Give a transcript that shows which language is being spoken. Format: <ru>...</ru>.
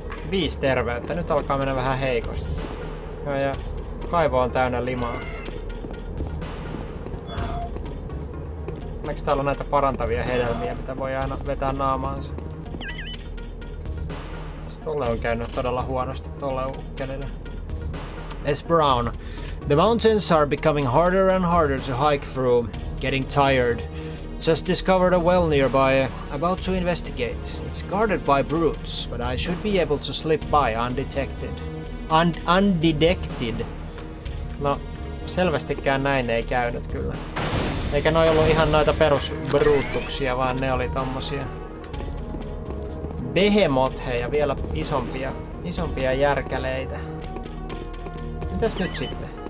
<fi>Viisi terveyttä. Nyt alkaa mennä vähän heikosti. Joo, ja kaivo on täynnä limaa. Onneksi täällä on näitä parantavia hedelmiä, mitä voi aina vetää naamaansa. Tolle on käynyt todella huonosti, tolle ukkelille. S. Brown.</fi> <en>The mountains are becoming harder and harder to hike through. Getting tired. Just discovered a well nearby. About to investigate. It's guarded by brutes, but I should be able to slip by undetected. Undetected.</en> <fi>No, selvästikään näin ei käynyt kyllä. Eikä noi ollut ihan noita perusbruutuksia, vaan ne oli tommosia behemotheja, vielä isompia järkäleitä. Mitäs nyt sitten?</fi>